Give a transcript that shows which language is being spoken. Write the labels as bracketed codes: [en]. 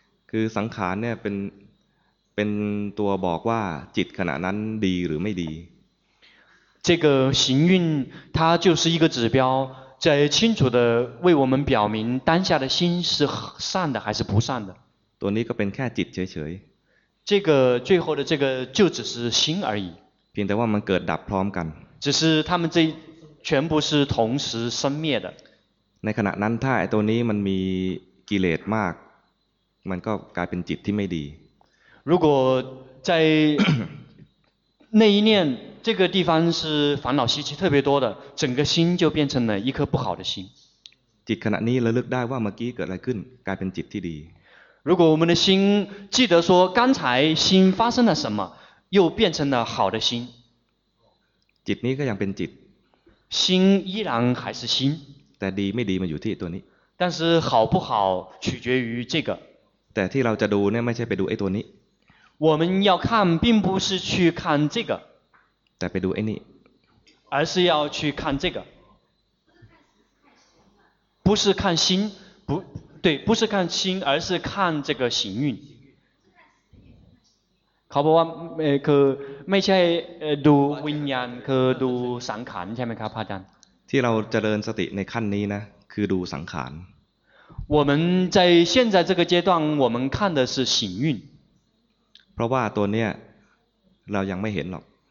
[th] คือสังขารเนี่ยเป็นตัวบอกว่าจิตขณะนั้นดีหรือไม่ดี [zh] 这个行运它就是一个指标在清楚的为我们表明当下的心是善的还是不善的 [th] ตัวนี้ก็เป็นแค่จิตเฉย [zh] ๆ这个最后的这个就只是心而已 [th] เพียงแต่ว่ามันเกิดดับพร้อมกัน [zh] 只是他们这全部是同时生灭的 [th] ในขณะนั้นถ้าไอ้ตัวนี้มันมีกิเลสมากมันก็กลายเป็นจิตที่ไม่ดี [zh] 如果在那一念这个地方是烦恼习气特别多的，整个心就变成了一颗不好的心。 [th] จิตขณะนี้ระลึกได้ว่าเมื่อกี้เกิดอะไรขึ้นกลายเป็นจิตที่ดี。 [zh] 如果我们的心记得说刚才心发生了什么，又变成了好的心。 [th] จิตนี้ก็ยังเป็นจิต。 [zh] 心依然还是心。 [th] แต่ดีไม่ดีมันอยู่ที่ตัวนี้。 [zh] 但是好不好取决于这个。 [th] แต่ที่เราจะดูเนี่ยไม่ใช่ไปดูไอ้ตัวนี้。 [zh] 我们要看并不是去看这个 [th] แต่ไปดูไอ้นี่ [zh] 而是要去看这个不是看心不对不是看心而是看这个行运 [th] เขาบอกว่าคือไม่ใช่ดูวิญญาณคือดูสังขารใช่ไหมครับพระอาจารย์ที่เราเจริญสติในขั้นนี้นะคือดูสังขาร [zh] 我们在现在这个阶段我们看的是行运 [th] เพราะว่าตัวเนี้ยเรายังไม่เห็นหรอก